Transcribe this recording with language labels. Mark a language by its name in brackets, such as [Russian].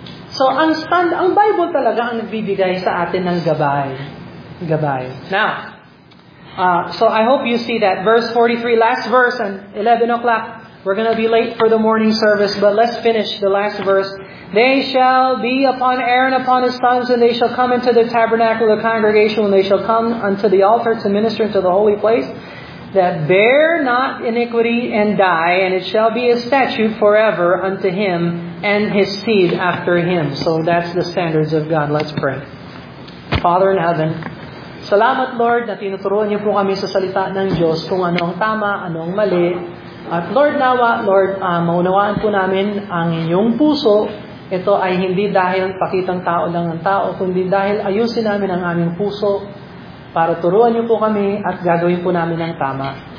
[Filipino] So, ang Bible talaga ang nagbibigay sa atin ng gabay. Gabay. [English] Now, so I hope you see that. Verse 43, last verse, and 11 o'clock. We're going to be late for the morning service, but let's finish the last verse. They shall be upon Aaron, upon his sons, and they shall come into the tabernacle of the congregation, and they shall come unto the altar to minister into the holy place, that bear not iniquity and die, and it shall be a statute forever unto him and his seed after him. So that's the standards of God. Let's pray. Father in heaven, [Filipino] salamat Lord na tinuturuan niyo po kami sa salita ng Diyos kung ano ang tama, ano ang mali. At Lord, nawa, Lord, maunawaan po namin ang inyong puso. Ito ay hindi dahil pakitang tao lang ang tao, kundi dahil ayusin namin ang aming puso para turuan niyo po kami at gagawin po namin ang tama.